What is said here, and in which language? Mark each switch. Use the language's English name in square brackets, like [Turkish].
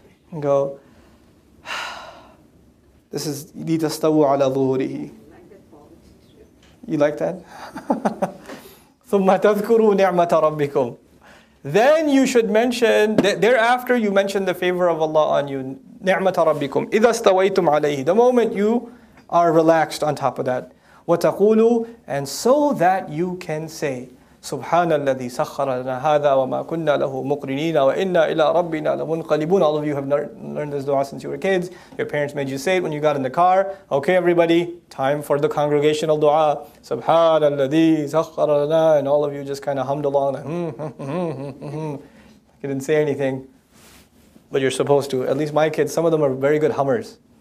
[English] And go, this is [Arabic] لِتَسْتَوُوا عَلَىٰ ظُهُورِهِ. [English] You like that? [Arabic] ثُمَّ تَذْكُرُوا نِعْمَةَ رَبِّكُمْ. [English] Then you should mention, thereafter you mention the favor of Allah on you. [Arabic] نِعْمَةَ رَبِّكُمْ إِذَا اسْتَوَيْتُمْ عَلَيْهِ. [English] The moment you are relaxed on top of that. [Arabic] وَتَقُولُوا. [English] And so that you can say, [Arabic] سبحان الذي سخر لنا هذا وما كنا له مقرنين وإنا إلى ربنا لمنقلبون. [English] All of you have learned this dua since you were kids. Your parents made you say it when you got in the car. Okay, everybody, time for the congregational dua. [Arabic] سبحان الذي سخر لنا. [English] And all of you just kind of hummed along. You didn't say anything, but you're supposed to. At least my kids, some of them are very good hummers.